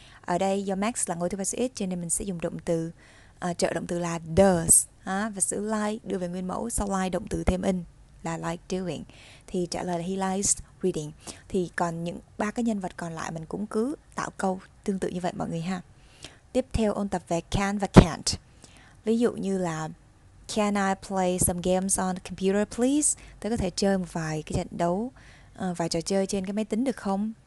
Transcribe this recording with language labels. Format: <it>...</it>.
<vi>Ở đây do Max là ngôi thứ ba số ít cho nên mình sẽ dùng động từ trợ động từ là does ha? Và sự like đưa về nguyên mẫu sau like động từ thêm in là like doing. Thì trả lời là</vi> <en>he likes reading.</en> <vi>Thì còn những ba cái nhân vật còn lại mình cũng cứ tạo câu tương tự như vậy mọi người ha. Tiếp theo ôn tập về can và can't. Ví dụ như là</vi> <en>can I play some games on the computer please?</en> <vi>Tôi có thể chơi một vài cái trận đấu và trò chơi trên cái máy tính được không?</vi>